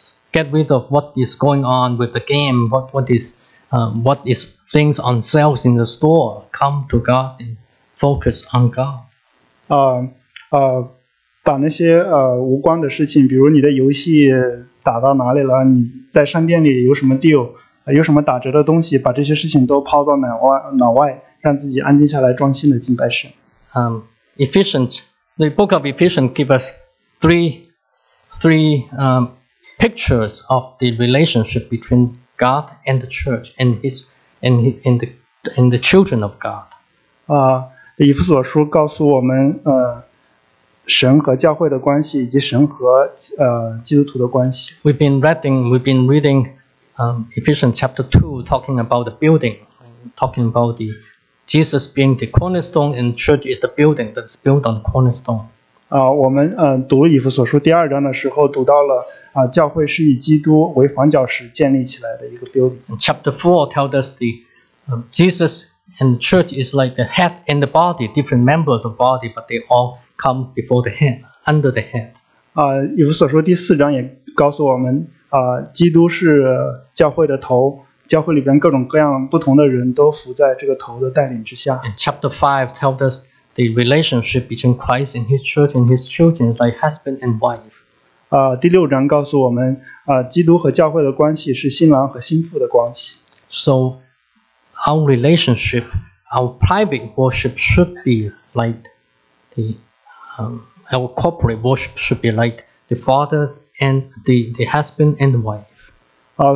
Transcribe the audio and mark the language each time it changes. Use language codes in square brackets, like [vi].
[en] Get rid of what is going on with the game. What is things on sales in the store. Come to God and focus on God. [zh] 把那些无关的事情，比如你的游戏打到哪里了，你在商店里有什么 deal。有什么打折的东西，把这些事情都抛到脑外，让自己安静下来，专心的敬拜神。 [en] Ephesians, the book of Ephesians gives us three pictures of the relationship between God and the church and the children of God. [zh] 以弗所书告诉我们，神和教会的关系，以及神和基督徒的关系。 [en] We've been reading. Ephesians chapter 2 talking about the building, talking about the Jesus being the cornerstone and church is the building that's built on the cornerstone. [zh] 我们读以弗所书第二章的时候读到了教会是以基督为房角石建立起来的一个 building. [en] And chapter 4 tells us the Jesus and the church is like the head and the body, different members of the body, but they all come before the head, under the head. [zh] 以弗所书第四章也告诉我们基督是教会的头，教会里边各种各样不同的人都服在这个头的带领之下。 [en] And chapter 5 tells us the relationship between Christ and His church and His children like husband and wife. [zh] 第六章告诉我们，基督和教会的关系是新郎和新妇的关系。 [en] So our relationship, our private worship should be like our corporate worship should be like the Father's and the husband and the wife.